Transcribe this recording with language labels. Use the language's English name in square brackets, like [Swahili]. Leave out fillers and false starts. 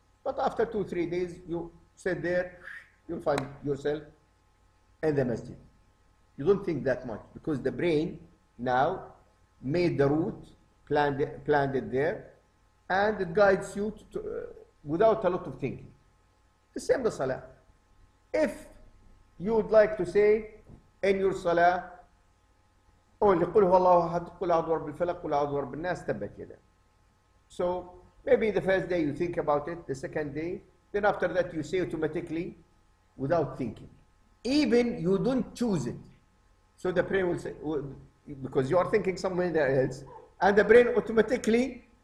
[English] But after 2-3 days, you sit there, you'll find yourself in the masjid. You don't think that much because the brain now made the route, planned it there, and it guides you without a lot of thinking. The same the salah. If you would like to say in your salah, only [Arabic] قل هو الله أحد قل أعوذ برب الفلق قل أعوذ برب الناس تبت يدا. [English] So maybe the first day you think about it, the second day, then after that you say automatically without thinking. Even you don't choose it. So the brain will say, because you are thinking somewhere else, and the brain automatically